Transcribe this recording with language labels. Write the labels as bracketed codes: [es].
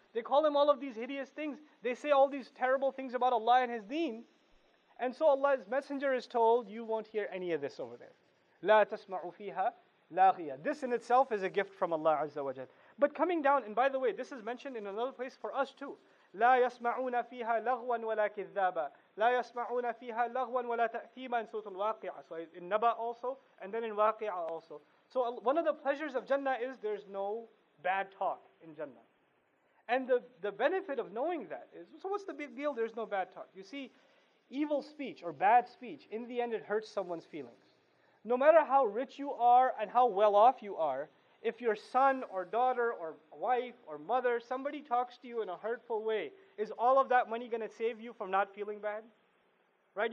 [en] They call him all of these hideous things. They say all these terrible things about Allah and His deen. And so Allah's messenger is told, you won't hear any of this over there. [ar] لَا تَسْمَعُ فِيهَا لَاغِيَةً. [en] This in itself is a gift from Allah Azza wa Jal. But coming down, and by the way, this is mentioned in another place for us too. [ar] لَا يَسْمَعُونَ فِيهَا لَغْوًا وَلَا كِذَّابًا. لَا يَسْمَعُونَ فِيهَا لَغْوًا وَلَا تَأْثِيمًا [en] in Surah Al-Waqi'ah. So in Naba also, and then in Waqi'ah also. So one of the pleasures of Jannah is there's no bad talk in Jannah. And the benefit of knowing that is, so what's the big deal? There's no bad talk. You see, evil speech or bad speech, in the end it hurts someone's feelings. No matter how rich you are and how well off you are, if your son or daughter or wife or mother, somebody talks to you in a hurtful way, is all of that money going to save you from not feeling bad? Right?